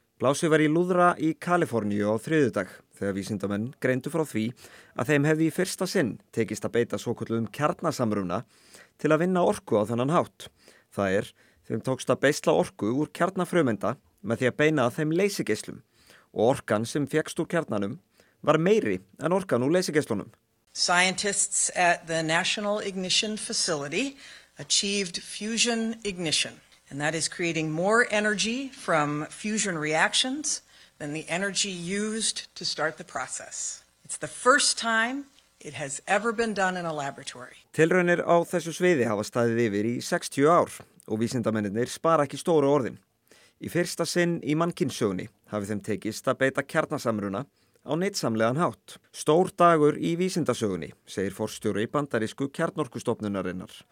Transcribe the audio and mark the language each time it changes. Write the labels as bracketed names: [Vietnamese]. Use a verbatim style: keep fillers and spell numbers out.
[Icelandic] Blásið var í lúðra í Kaliforníu á þriðjudag þegar vísindamenn greindu frá því að þeim hefði í fyrsta sinn tekist að beita svokölluðum kjarnasamruna til að vinna orku á þennan hátt. Það er, þeim tókst að beisla orku úr kjarnafrumenda með því að beina að þeim leysigeislum og orkan sem fékkst úr kjarnanum var meiri en orkan úr leysige [English] Scientists at the National Ignition Facility achieved fusion ignition, and that is creating more energy from fusion reactions than the energy used to start the process. It's the first time it has ever been done in a laboratory. [Icelandic] Tilraunir á þessu sviði hafa staðið yfir í sextíu ár og vísindamennirnir spara ekki stóru orðin. Í fyrsta sinn í mannkynssögunni hafi þeim tekist að beita kjarnasamruna á neitsamlegan hátt. Stór dagur í vísindasögunni, segir forstjóri bandarísku kjarnorkustofnunarinnar.